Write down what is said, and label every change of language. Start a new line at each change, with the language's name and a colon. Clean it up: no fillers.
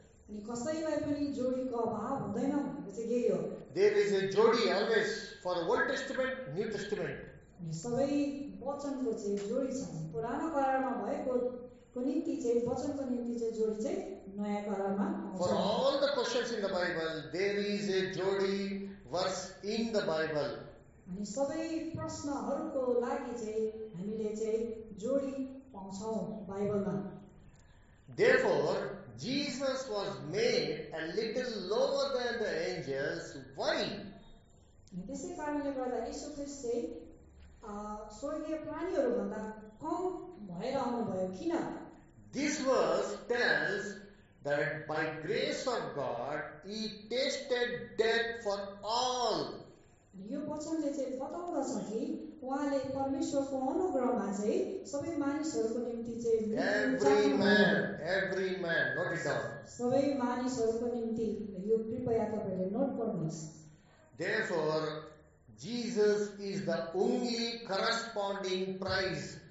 Nepali: अनि कसैलाई पनि जोडीको अभाव हुँदैन भनेको चाहिँ यही हो.
English: There is a jodi always for the Old Testament, New Testament.
Nepali: सबै वचनको चाहिँ जोडी छ. पुरानो करारमा भएको नीति चाहिँ वचनको नीति चाहिँ जोडी चाहिँ नयाँ करारमा.
English: For all the questions in the Bible, there is a jodi verse in the Bible.
Nepali: अनि सबै प्रश्नहरूको लागि चाहिँ हामीले चाहिँ जोडी पाउँछौँ बाइबलमा.
English: Therefore, Jesus was made a little lower than the angels. Why?
Nepali: त्यसै कारणले गर्दा यीशु ख्रीष्ट स्वर्गीय प्राणीहरू भन्दा कम भएर आउनुभयो किन?
English: This verse tells that by grace of God, he tasted death for all.
Nepali: यो वचनले चाहिँ बताउँदछ कि उहाँले परमेश्वरको अनुग्रहमा चाहिँ सबै मानिसहरूको निम्ति चाहिँ सबै मानिसहरूको निम्ति यो कृपया तपाईँले नोट गर्नुहोस्.
English: Therefore, Jesus is the only corresponding price.